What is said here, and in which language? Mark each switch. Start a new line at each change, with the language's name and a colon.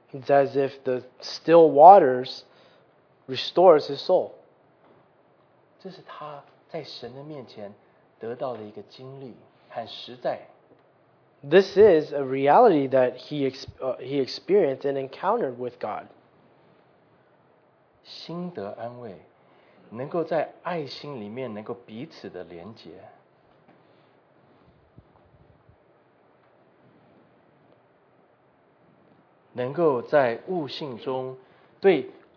English: as if the still waters restores his soul.
Chinese: 这是他 在神的面前得到了一个经历和实在。
English: This is a reality that he experienced and encountered with God.
Chinese: 心得安慰，能够在爱心里面能够彼此的连结，能够在悟性中对。